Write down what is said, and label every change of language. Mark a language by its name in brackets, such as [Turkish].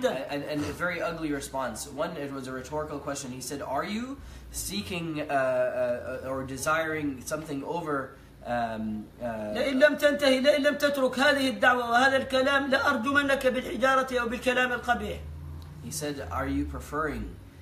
[English] And a very ugly response. One, it was a rhetorical question. He said, are you seeking or desiring something over... [Arabic] لئن لم تنتهي لئن لم تترك هذه الدعوة وهذا الكلام لأرجمنك بالحجارة أو بالكلام القبيح. [English] He said, are you preferring...